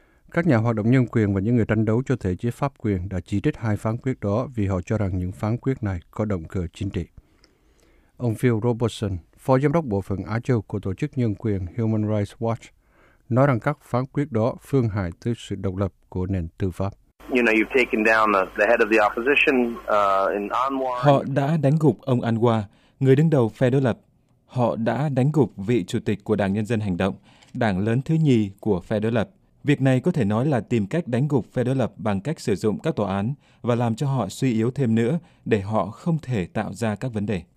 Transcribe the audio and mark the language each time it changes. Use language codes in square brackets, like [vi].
[vi] Các nhà hoạt động nhân quyền và những người tranh đấu cho thể chế pháp quyền đã chỉ trích hai phán quyết đó vì họ cho rằng những phán quyết này có động cơ chính trị. Ông Phil Robertson, phó giám đốc bộ phận Á Châu của tổ chức nhân quyền Human Rights Watch, nói rằng các phán quyết đó phương hại tới sự độc lập của nền tư pháp. [en] you know, you've taken down the head of the opposition in Anwar. [vi] Họ đã đánh gục ông Anwar, người đứng đầu phe đối lập. Họ đã đánh gục vị chủ tịch của Đảng Nhân dân Hành động, đảng lớn thứ nhì của phe đối lập. Việc này có thể nói là tìm cách đánh gục phe đối lập bằng cách sử dụng các tòa án và làm cho họ suy yếu thêm nữa để họ không thể tạo ra các vấn đề.